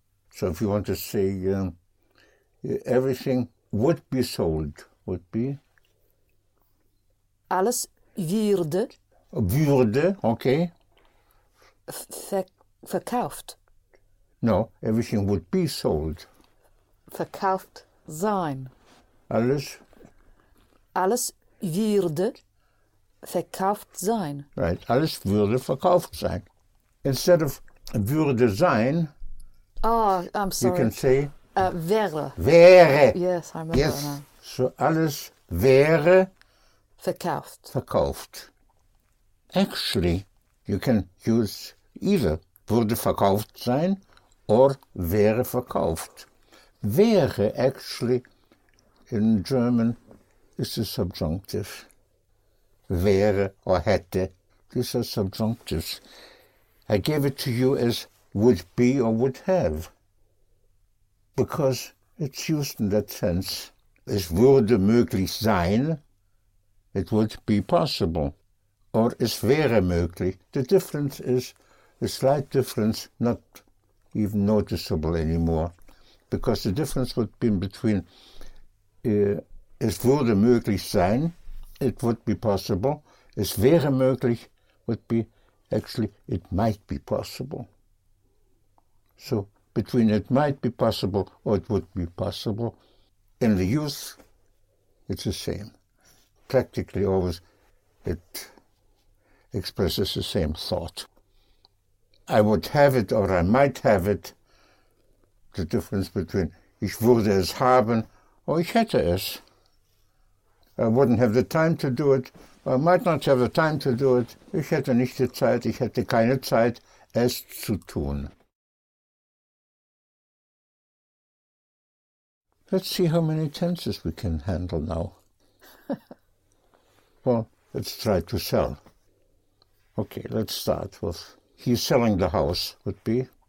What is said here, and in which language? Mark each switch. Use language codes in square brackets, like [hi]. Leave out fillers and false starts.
[en] So if you want to say everything would be sold, would be? [de] Alles würde. Würde, okay. Verkauft. [en] No, everything would be sold. [de] Verkauft sein. Alles? Alles würde verkauft sein. Right, alles würde verkauft sein. [en] Instead of würde sein, you can say [de] wäre. Wäre. [en] Yes, I remember that. So [de] alles wäre verkauft. [en] Verkauft. Actually, you can use either [de] würde verkauft sein or wäre verkauft. [en] Wäre actually, in German, is a subjunctive. Wäre or hätte, these are subjunctives. I gave it to you as would be or would have, because it's used in that sense. [de] Es würde möglich sein, [en] it would be possible, or [de] es wäre möglich. [en] The difference is a slight difference, not even noticeable anymore, because the difference would be between [de] es würde möglich sein, [en] it would be possible, [de] es wäre möglich [en] would be actually it might be possible. So between it might be possible or it would be possible, in the use, it's the same. Practically always, it expresses the same thought. I would have it or I might have it. The difference between [de] ich würde es haben [en] or [de] ich hätte es. [en] I wouldn't have the time to do it. I might not have the time to do it. [de] Ich hätte nicht die Zeit. Ich hätte keine Zeit, es zu tun. [en] Let's see how many tenses we can handle now. Well, let's try to sell. Okay, let's start with he's selling the house would be.